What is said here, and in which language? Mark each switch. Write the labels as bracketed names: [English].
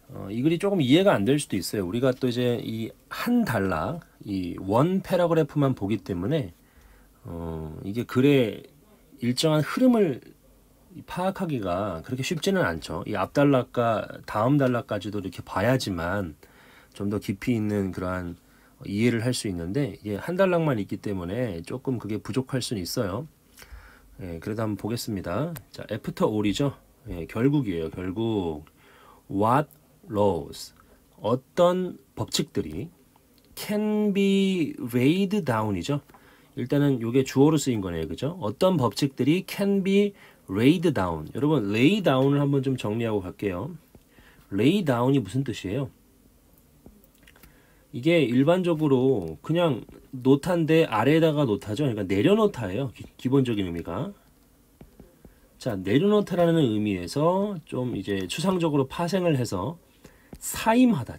[Korean] 이 글이 조금 이해가 안 될 수도 있어요. 우리가 또 이제 이 한 단락, 이 원 패러그래프만 보기 때문에 이게 글의 일정한 흐름을 파악하기가 그렇게 쉽지는 않죠. 이 앞단락과 다음 단락까지도 이렇게 봐야지만 좀 더 깊이 있는 그러한 이해를 할 수 있는데 이게 한 단락만 있기 때문에 조금 그게 부족할 수는 있어요. 예, 그래도 한번 보겠습니다. 자, [English] after all [Korean] 이죠. 예, 결국이에요. [English] 결국 what laws, [Korean] 어떤 법칙들이 [English] can be weighed down이죠. [Korean] 일단은 이게 주어로 쓰인 거네요. 그죠? 어떤 법칙들이 [English] can be laid down. [Korean] 여러분, lay down을 한번 좀 정리하고 갈게요. lay down이 무슨 뜻이에요? 이게 일반적으로 그냥 노타인데 아래에다가 노타죠. 그러니까 내려놓다예요. 기본적인 의미가. 자, 내려놓다라는 의미에서 좀 이제 추상적으로 파생을 해서 사임하다.